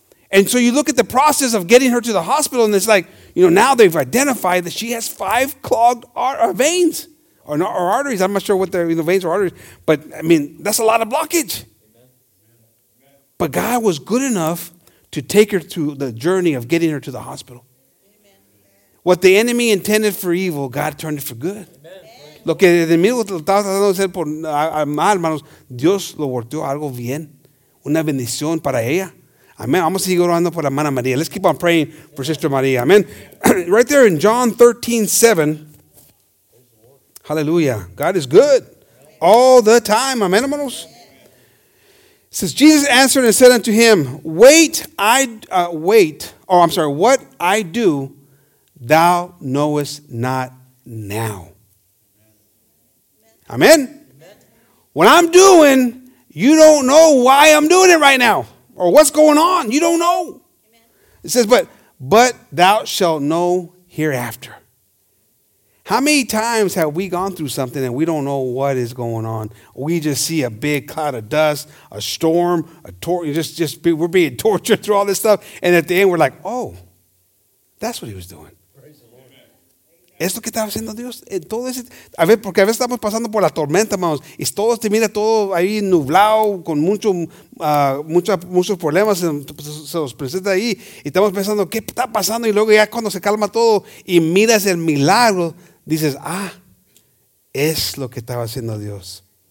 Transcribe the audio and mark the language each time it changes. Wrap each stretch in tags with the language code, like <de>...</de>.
<en>And so you look at the process of getting her to the hospital, and it's like, you know, now they've identified that she has 5 clogged veins or arteries. I'm not sure what they're, you know, veins or arteries. But, I mean, that's a lot of blockage. But God was good enough to take her through the journey of getting her to the hospital. Amen. What the enemy intended for evil, God turned it for good.</en> <es>Lo que el enemigo estaba tratando de hacer por mal, hermanos, Dios lo volteó algo bien. Una bendición para ella. Amen. Vamos a seguir orando por la hermana María.</es> <en>Let's keep on praying for Sister María. Amen. Right there in John 13:7. Hallelujah. God is good all the time. Amen, hermanos. Since Jesus answered and said unto him, what I do, thou knowest not now. Amen. Amen? What I'm doing, you don't know why I'm doing it right now. Or what's going on, you don't know. Amen. It says, but thou shalt know hereafter. How many times have we gone through something and we don't know what is going on? We just see a big cloud of dust, a storm, we're being tortured through all this stuff. And at the end, we're like, oh, that's what he was doing.</en> <es>Esto que estaba haciendo Dios, todo ese, a ver, porque a veces estamos pasando por la tormenta, hermanos, y todo te mira todo ahí nublado, con muchos problemas, se los presenta ahí, y estamos pensando, ¿qué está pasando? Y luego ya cuando se calma todo y miras el milagro, dices, ah, es lo que estaba haciendo Dios.</es>